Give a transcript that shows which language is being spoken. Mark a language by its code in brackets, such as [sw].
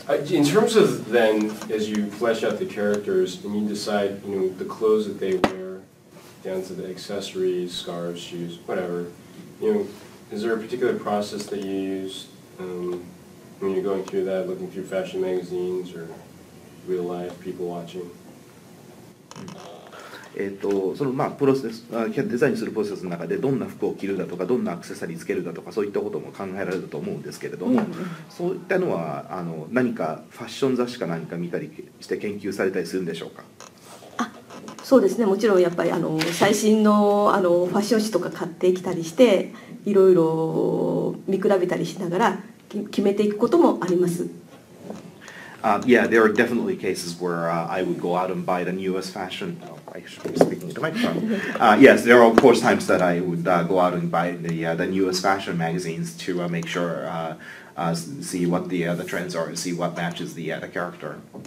[en] In terms of then, as you flesh out the characters, and you decide, you know, the clothes that they wear, down to the accessories, scarves, shoes, whatever, you know, is there a particular process that you use when you're going through that, looking through fashion magazines or real life people watching? [ja] そのまあプロセスデザインするプロセスの中でどんな服を着るだとかどんなアクセサリーつけるだとかそういったことも考えられると思うんですけれども、うん、そういったのはあの何かファッション雑誌か何か見たりして研究されたりするんでしょうか。あ、そうですね、もちろんやっぱりあの最新 の, あのファッション誌とか買ってきたりしていろいろ見比べたりしながら決めていくこともあります。 [en] Yeah, there are definitely cases where I would go out and buy the newest fashion. Oh, I should be speaking into my phone. Yes, there are of course times that I would go out and buy the newest fashion magazines to make sure, see what the trends are, see what matches the character.